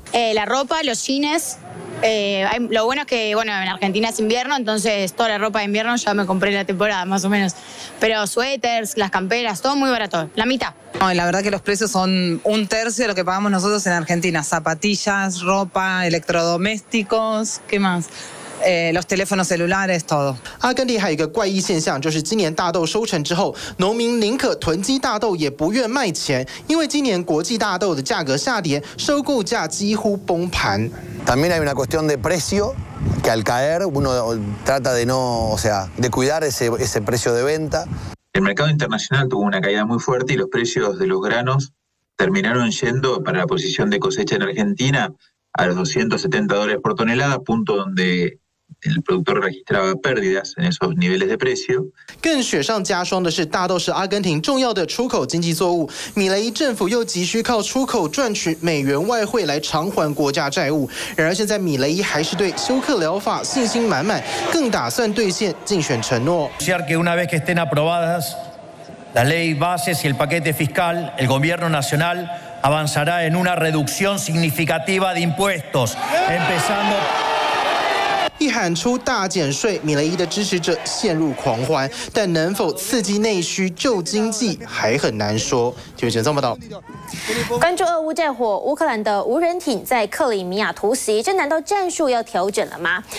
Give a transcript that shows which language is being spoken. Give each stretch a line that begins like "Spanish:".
Spanish: La ropa, los cines. Lo bueno es que bueno, en Argentina es invierno, entonces toda la ropa de invierno ya me compré en la temporada, más o menos. Pero suéteres, las camperas, todo muy barato, la mitad. La verdad que los precios son un tercio de lo que pagamos nosotros en Argentina. Zapatillas, ropa, electrodomésticos, ¿qué más? los teléfonos celulares, todo.
Chinese: 阿根廷还有一个怪异现象，就是今年大豆收成之后，农民宁可囤积大豆也不愿卖钱，因为今年国际大豆的价格下跌，收购价几乎崩盘。
Spanish: También hay una cuestión de precio que al caer uno trata de no, o sea, de cuidar ese precio de venta. El mercado internacional tuvo una caída muy fuerte y los precios de los granos terminaron yendo para la posición de cosecha en Argentina. A los $270 por tonelada, punto donde el productor registraba pérdidas en esos niveles de precio.
Chinese: 更雪上加霜的是，大豆是阿根廷重要的出口经济作物。米雷伊政府又急需靠出口赚取美元外汇来偿还国家债务。然而，现在米雷伊还是对休克疗法信心满满，更打算兑现竞选承诺。
Spanish: Anunciar que una vez que estén aprobadas las leyes bases y el paquete fiscal, el gobierno nacional. Avanzará en una reducción significativa de impuestos, empezando.
Chinese: 一喊出大减税，米雷伊的支持者陷入狂欢，但能否刺激内需救经济还很难说。记者这么道。关注俄乌战火，乌克兰的无人艇在克里米亚突袭，这难道战术要调整了吗？